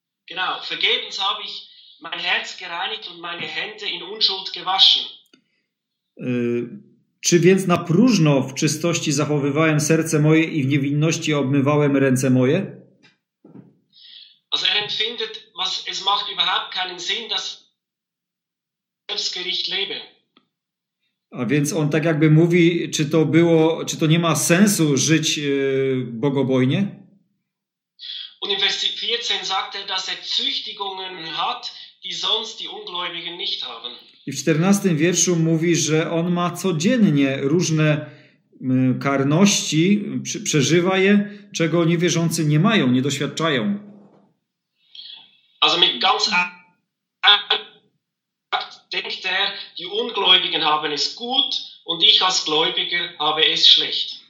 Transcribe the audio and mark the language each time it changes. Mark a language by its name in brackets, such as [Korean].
[German] Genau, vergebens habe ich mein Herz gereinigt und meine Hände in Unschuld gewaschen. [Polish] Czy więc na próżno w czystości zachowywałem serce moje i w niewinności obmywałem ręce moje? [German] Also er empfindet, was es macht überhaupt keinen Sinn, dass ich selbstgericht lebe. [Polish] A więc on tak jakby mówi, czy to było, czy to nie ma sensu żyć bogobojnie? [German] Und in Vers 14 sagt er, dass er Züchtigungen hat, die sonst die Ungläubigen nicht haben. [Polish] I w 14 wierszu mówi, że on ma codziennie różne karności, przeżywa je, czego niewierzący nie mają, nie doświadczają. [German] Also mit ganz denkt er, die Ungläubigen haben es gut und ich als Gläubiger habe es schlecht.